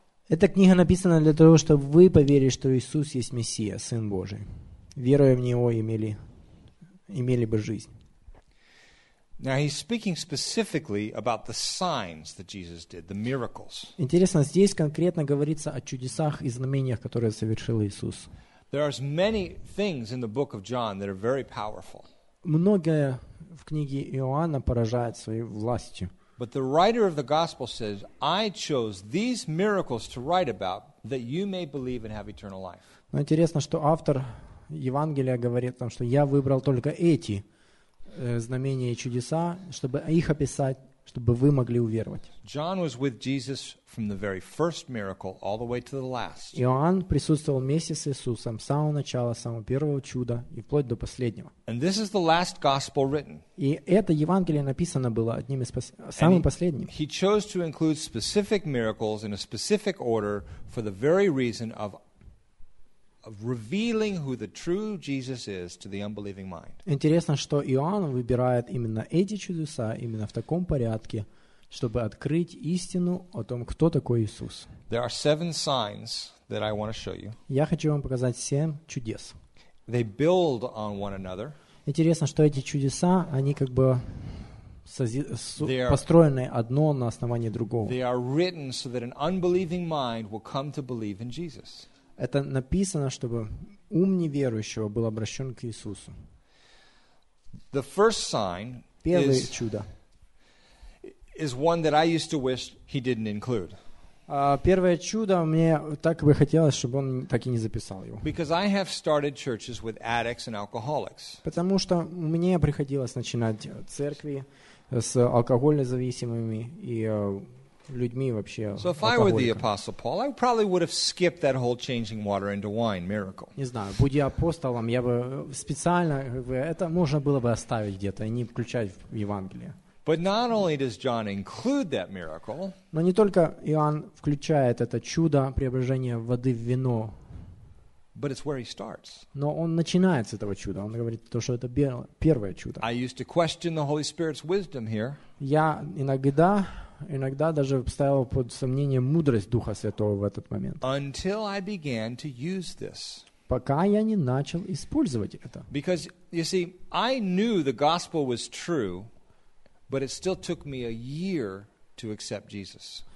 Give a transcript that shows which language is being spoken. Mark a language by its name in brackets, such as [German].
[Russian] Эта книга написана для того, чтобы вы поверили, что Иисус есть Мессия, Сын Божий. Веруя в Него, имели бы жизнь. [English] Now he's speaking specifically about the signs that Jesus did, the miracles. [Russian] Интересно, здесь конкретно говорится о чудесах и знамениях, которые совершил Иисус. [English] There are many things in the book of John that are very powerful. [Russian] Многое в книге Иоанна поражает своей властью. [English] But the writer of the gospel says, I chose these miracles to write about that you may believe and have eternal life. [Russian] Но интересно, что автор Евангелия говорит там, что я выбрал только эти знамения и чудеса, чтобы их описать, чтобы вы могли уверовать. [English] John was with Jesus from the very first miracle all the way to the last. [Russian] Иоанн присутствовал вместе с Иисусом с самого начала, с самого первого чуда и вплоть до последнего. [English] And this is the last gospel written. [Russian] И это Евангелие написано было одним из самым последним. [English] He chose to include specific miracles in a specific order for the very reason of revealing who the true Jesus is to the unbelieving mind. [Russian] Интересно, что Иоанн выбирает именно эти чудеса именно в таком порядке, чтобы открыть истину о том, кто такой Иисус. [English] There are seven signs that I want to show you. [Russian] Я хочу вам показать семь чудес. [English] They build on one another. [Russian] Интересно, что эти чудеса, они как бы построены одно на основании другого. [English] They are written so that an unbelieving mind will come to believe in Jesus. [Russian] Это написано, чтобы ум неверующего был обращен к Иисусу. [English] The first sign [Russian] первое чудо [English] is one that I used to wish he didn't include. [Russian] Первое чудо мне так бы хотелось, чтобы он так и не записал его. [English] Because I have started churches with addicts and alcoholics. [Russian] Потому что мне приходилось начинать церкви с алкогольно зависимыми и людьми вообще. [English] So if I were the apostle Paul, I probably would have skipped that whole changing water into wine miracle. [Russian] Не знаю, будь я апостолом, я бы специально это можно было бы оставить где-то и не включать в Евангелие. [English] But not only does John include that miracle. [Russian] Но не только Иоанн включает это чудо преображения воды в вино. [English] But it's where he starts. [Russian] Но он начинает с этого чуда. Он говорит то, что это первое чудо. [English] I used to question the Holy Spirit's wisdom here. [Russian] Я иногда даже ставил под сомнение мудрость Духа Святого в этот момент. [English] Until I began to use this. [Russian] Пока я не начал использовать это. [English] Because you see, I knew the gospel was true, but it still took me a year to accept Jesus.